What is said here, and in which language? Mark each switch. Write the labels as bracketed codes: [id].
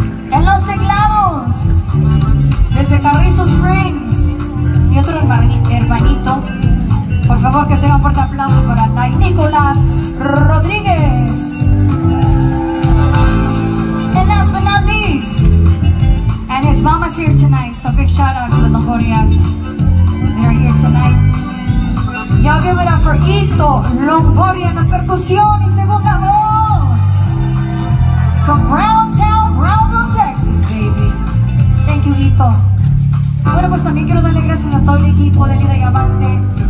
[es] En los teclados, desde Carrizo Springs, mi otro hermanito. Por favor, que sea un fuerte aplauso para Nicolás Rodríguez. [en] And last but not least, and his mama's here tonight, so big shout out to the Longorias. They're here tonight. Y'all give it up for [es] Ito Longoria en la percusión y segunda voz. [en] From Browntown, Brownsville, Texas, baby. Thank you, Ito. [es] Bueno, pues también quiero darle gracias a todo el equipo de Elida y Avante.